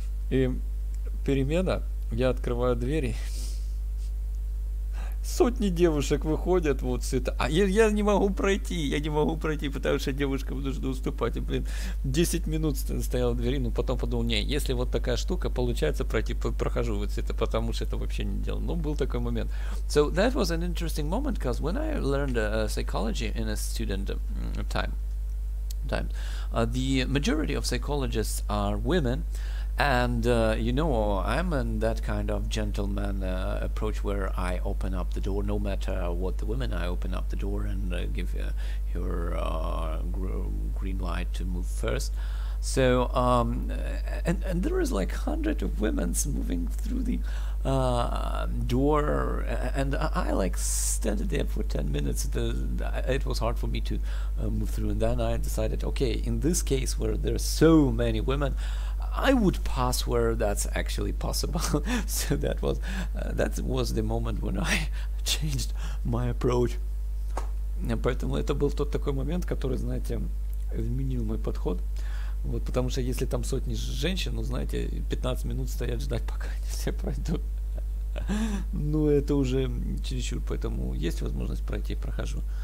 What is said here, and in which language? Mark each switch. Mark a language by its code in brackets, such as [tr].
[ru] И перемена, я открываю двери, сотни девушек выходят вот с это, а я не могу пройти, потому что девушка вынуждена уступать. И, блин, 10 минут стоял в двери, но потом подумал, не, если вот такая штука, получается пройти, прохожу вот с это, потому что это вообще не дело. Но был такой момент. [en] So that was an interesting moment, because when I learned psychology in a student time, the majority of psychologists are women. And, you know, I'm in that kind of gentleman approach where I open up the door, no matter what the women, I open up the door and give her green light to move first. So and there is like hundred of women moving through the door, and I like stood there for 10 minutes. It was hard for me to move through, and then I decided, okay, in this case where there are so many women, I would pass where that's actually possible. So that was the moment when I changed my approach. [ru] Поэтому это был тот такой момент, который, знаете, изменил мой подход. Вот, потому что если там сотни женщин, ну, знаете, 15 минут стоять ждать, пока они все пройдут. Ну, это уже чересчур, поэтому есть возможность пройти, прохожу.